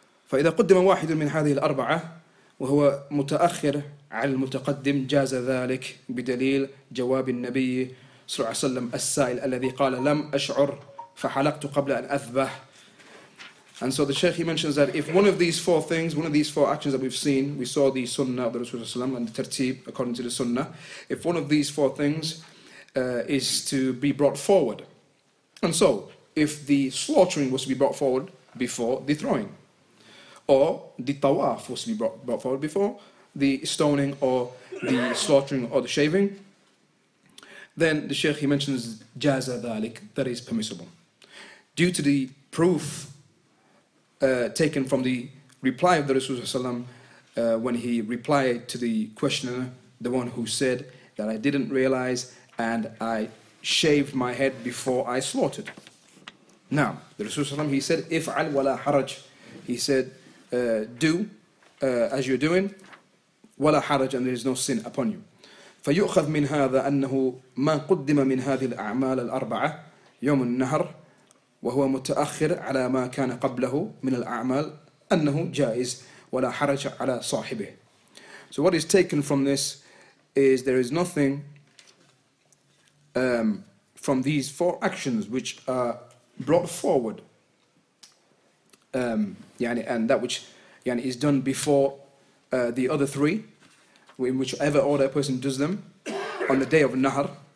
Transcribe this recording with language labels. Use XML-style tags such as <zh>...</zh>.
<ar>فإذا قدم واحد من هذه الأربعة وهو متأخر على المتقدم جاز ذلك بدليل جواب النبي صلى الله عليه وسلم السائل الذي قال لم أشعر فحلقت قبل أن أذبح.</ar> <en>And so the Shaykh, he mentions that if one of these four things, one of these four actions that we've seen, we saw the Sunnah of the Rasulullah and the Tartib according to the Sunnah, if one of these four things is to be brought forward. And so, if the slaughtering was to be brought forward before the throwing, or the tawaf was to be brought forward before the stoning, or the slaughtering, or the shaving, then the Shaykh, he mentions</en> <ar>jaza dhalik,</ar> <en>that is permissible. Due to the proof taken from the reply of the Rasulullah when he replied to the questioner, the one who said that I didn't realize and I shaved my head before I slaughtered. Now, the Rasulullah, he said,</en> <ar>if'al wala haraj,</ar> <en>he said, do as you're doing, wala haraj, and there is no sin upon you.</en> <ar>فَيُؤْخَذْ مِنْ هَذَا أَنَّهُ مَا قُدِّمَ مِنْ هَذِهِ الْأَعْمَالَ الْأَرْبَعَةِ يَوْمُ النَّهَرِ وهو متأخر على ما كان قبله من الأعمال أنه جائز ولا حرج على صاحبه.</ar> <en>So what is taken from this is there is nothing from these four actions which are brought forward, and that which is done before the other three, in whichever order a person does them on the day of Nahr.</en>